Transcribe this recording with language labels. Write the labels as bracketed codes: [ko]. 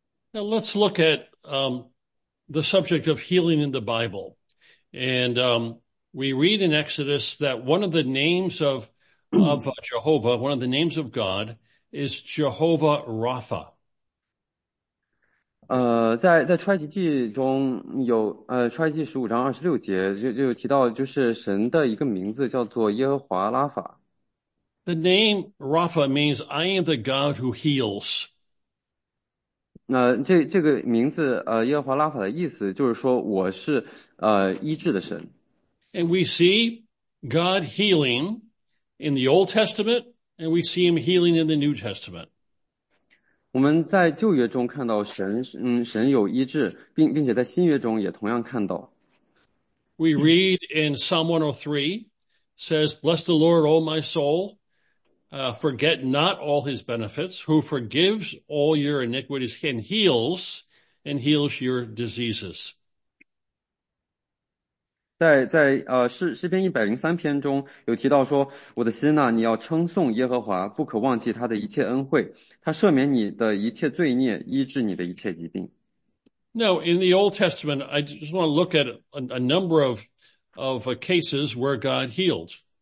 [en] Now let's look at the subject of healing in the Bible. And we read in Exodus that one of the names of Jehovah, one of the names of God, is Jehovah Rapha. [zh] 在出埃及记中有出埃及记15章26节就提到，就是神的一个名字叫做耶和华拉法。 [en] The name Rapha means I am the God who heals. [zh] 那这个名字，耶和华拉法的意思就是说，我是医治的神。 [en] And we see God healing in the Old Testament And we see him healing in the New Testament. [zh] 我们在旧约中看到神有医治，并且在新约中也同样看到。 [en] We read in Psalm 103, says, Bless the Lord, O my soul, forget not all his benefits, who forgives all your iniquities and heals your diseases. [zh] 在诗篇103篇中有提到说，我的心呐，你要称颂耶和华，不可忘记他的一切恩惠，他赦免你的一切罪孽，医治你的一切疾病。 [en] Now, in the Old Testament, I just want to look at a number of cases where God healed.